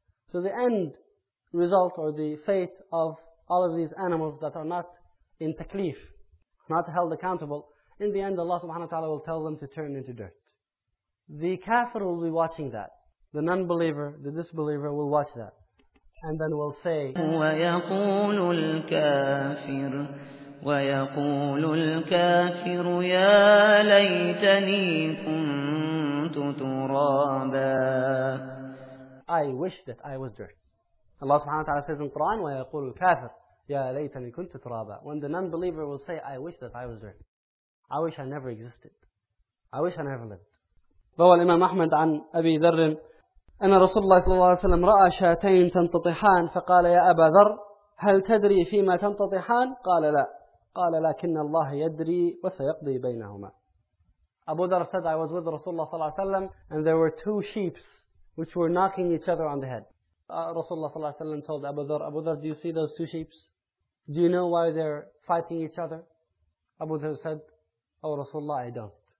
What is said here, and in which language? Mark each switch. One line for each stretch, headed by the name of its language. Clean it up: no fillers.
English: So the end result or the fate of all of these animals that are not in takleef, not held accountable, in the end Allah subhanahu wa ta'ala will tell them to turn into dirt. The kafir will be watching that. The non-believer, the disbeliever will watch that. And then we'll say,
Arabic: ويقول الكافر ويقول الكافر يا ليتني كنت ترابا.
English: I wish that I was dirt. Allah subhanahu wa ta'ala says in Quran,
Arabic: ويقول الكافر, Ya laytani kuntu turaba.
English: When the non-believer will say, I wish that I was dirt. I wish I never existed. I wish I never lived.
Arabic: روى الإمام أحمد عن أبي ذر أن رسول الله صلى الله عليه وسلم رأى شاتين تنتطحان فقال يا أبا ذر هل تدري فيما تنتطحان؟ قال لا. قال لكن الله يدري وسيقضي بينهما.
English: Abu Dhar said, I was with Rasulullah صلى الله عليه وسلم and there were two sheeps which were knocking each other on the head. Rasulullah صلى الله عليه وسلم told Abu Dhar, Abu Dhar, do you see those two sheeps? Do you know why they're fighting each other? Abu Dhar said, Oh Rasulullah, I don't.